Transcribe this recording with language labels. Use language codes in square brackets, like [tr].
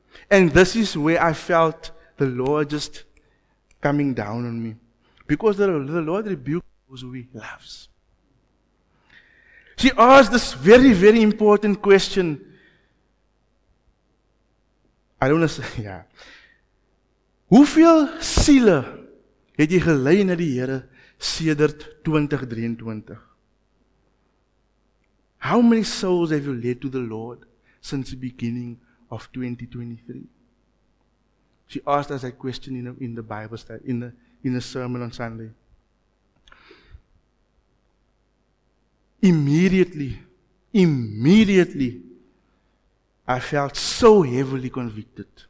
[en] And this is where I felt the Lord just coming down on me. Because the Lord rebuked those who he loves. She asked this very, very important question. I don't want to say, yeah. [af] Hoeveel siele het jy gelei na die Here sedert 2023? [en] How many souls have you led to the Lord since the beginning of 2023? She asked us that question in the Bible study, in the sermon on Sunday. Immediately, I felt so heavily convicted.